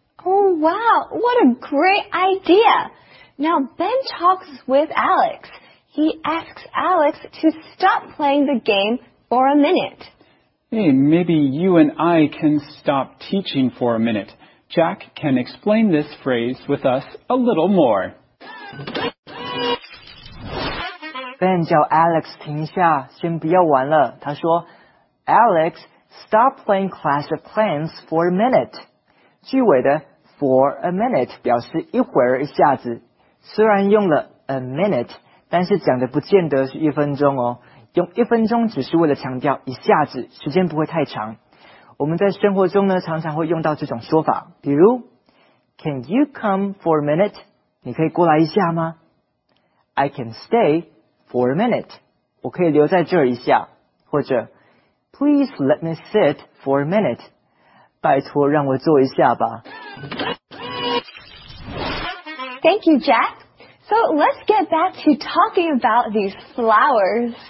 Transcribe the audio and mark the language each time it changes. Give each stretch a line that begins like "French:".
English: Oh, wow. What a great idea. Now, Ben talks with Alex. He asks Alex to stop playing the game for a minute. Hey, maybe you and I can stop teaching for a minute. Jack can explain this phrase with us a little more.
Chinese: Ben 叫 Alex 停下，先不要玩了。他说
English: ，Alex， stop playing Clash of Clans for a minute。
Chinese: 句尾的 for a minute 表示一会儿一下子。虽然用了 a minute， 但是讲的不见得是一分钟哦。用一分钟只是为了强调一下子，时间不会太长。我们在生活中呢，常常会用到这种说法，比如 ，
English: Can you come for a minute？
Chinese: 你可以过来一下吗 ？
English: I can stay。 For a minute,
Chinese: 我可以留在这儿一下，或者
English: Please let me sit for a minute,
Chinese: 拜托让我坐一下吧。
English: Thank you, Jack. So let's get back to talking about these flowers.